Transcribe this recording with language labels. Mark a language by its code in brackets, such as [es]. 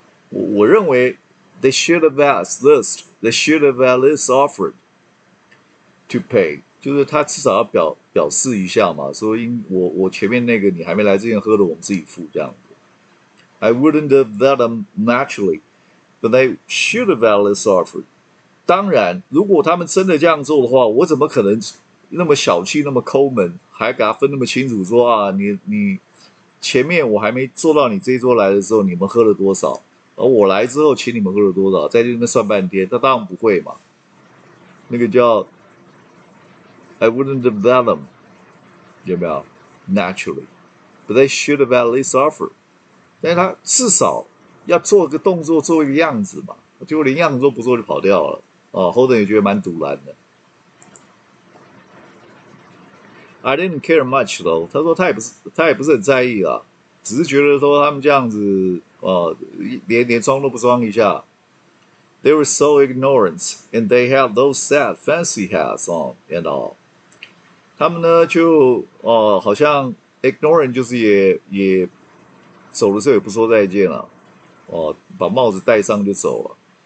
[zh] 我认为 [en] they should have asked this, they should have at least offered to pay. [zh] 就是他至少要表示一下嘛，说我前面那个你还没来之前喝的我们自己付这样子。 [en] I wouldn't have let them naturally, but they should have at least offered. [zh] 当然如果他们真的这样做的话，我怎么可能那么小气那么抠门还给他分那么清楚说啊，你前面我还没坐到你这一桌来的时候你们喝了多少。而我来之后，请你们喝了多少，在这边算半天，那当然不会嘛。那个叫 [en] I wouldn't have let them， [zh] 有没有 [en] ？Naturally， but they should have at least offered。 [zh] 但是他至少要做个动作，做一个样子嘛，结果连样子都不做就跑掉了。 Holden 也觉得蛮堵拦的。 [en] I didn't care much though， [zh] 他说他也不是很在意啊。只是觉得说他们这样子，连装都不装一下。 [en] They were so ignorant, and they have those sad fancy hats on and all. [zh] 他们呢就好像 ignorant 就是也走的时候也不说再见了，把帽子戴上就走了。